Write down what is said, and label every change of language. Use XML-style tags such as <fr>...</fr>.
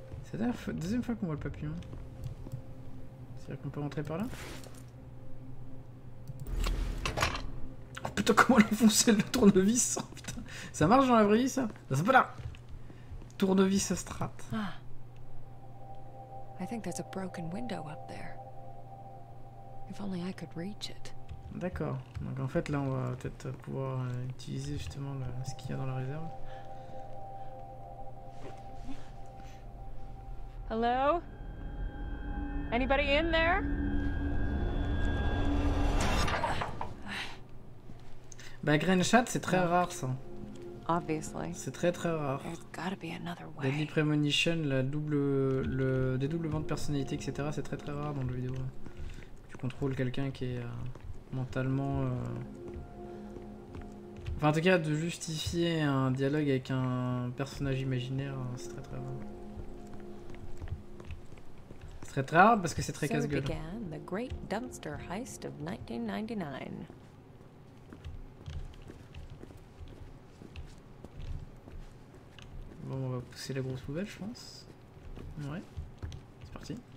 <fr>C'est la deuxième fois qu'on voit le papillon. C'est-à-dire qu'on peut rentrer par là? Oh putain, comment elle a foncé le tournevis? Oh, putain. Ça marche dans la vraie vie, ça? Non, c'est pas là! Tournevis à strat. Ah.</fr> <en>I think there's a broken window up there. If only I could reach it.</en> <fr>D'accord. Donc en fait, là, on va peut-être pouvoir utiliser justement le, ce qu'il y a dans la réserve.</fr> <en>Hello? Anybody in there?</en> <fr>Bah, Grenshot, c'est très rare, ça.</fr> <en>Obviously.</en> <fr>C'est très très rare.</fr> <en>There's gotta be another way.</en> <fr>Deadly Premonition, la double, le dédoublement de personnalité, etc. C'est très très rare dans le jeu vidéo. Tu contrôles quelqu'un qui est mentalement... Enfin, en tout cas, de justifier un dialogue avec un personnage imaginaire, c'est très très rare. C'est très rare parce que c'est très casse-gueule.</fr> <en>So began the great dumpster heist of 1999.</en> <fr>Bon, on va pousser la grosse poubelle, je pense. Ouais. C'est parti.</fr>